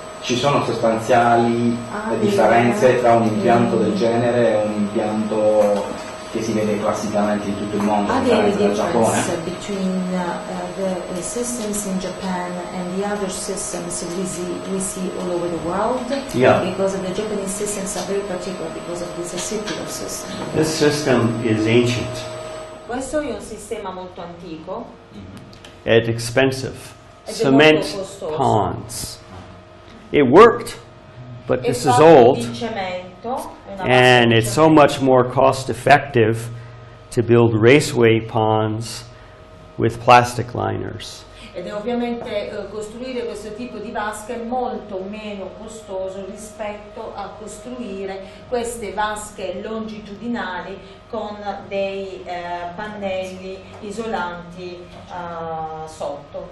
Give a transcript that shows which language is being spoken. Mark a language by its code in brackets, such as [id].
[it] Ci sono sostanziali differenze tra un impianto del genere e un impianto che si vede classicamente in tutto il mondo, in Italia, in Giappone? [en] Are there between the systems in Japan and the other systems we see all over the world? Yeah. Because of the Japanese systems are very particular because of this circular system. This system is ancient. [it] Questo è un sistema molto antico. [en] At expensive cement ponds. It worked, but this is old, and it's so much more cost effective to build raceway ponds with plastic liners. [it] Ed è ovviamente costruire questo tipo di vasche molto meno costoso rispetto a costruire queste vasche longitudinali con dei pannelli isolanti sotto.